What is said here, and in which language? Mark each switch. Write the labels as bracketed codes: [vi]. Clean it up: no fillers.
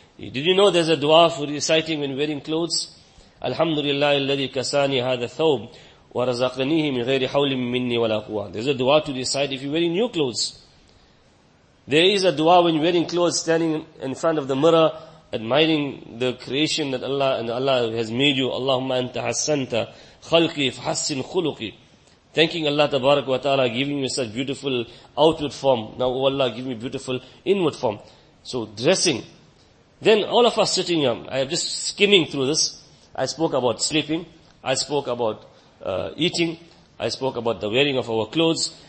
[en] Did you know there's a dua for reciting when wearing clothes? [ar] Alhamdulillah, alladhi kasani hadha thawb, وَرَزَقْنِيهِ مِنْ غَيْرِ حَوْلٍ مِنِّي وَلَا قُوَّةٍ. [en] There's a dua to decide if you're wearing new clothes. There is a dua when you're wearing clothes, standing in front of the mirror, admiring the creation that Allah and Allah has made you. [ar] اللهم أنت حسنت خلقي فحسن خلقي. [en] Thanking Allah Tabarak wa Ta'ala, giving me such beautiful outward form. Now, oh Allah, give me beautiful inward form. So, dressing. Then all of us sitting here, I am just skimming through this. I spoke about sleeping. I spoke about eating. I spoke about the wearing of our clothes.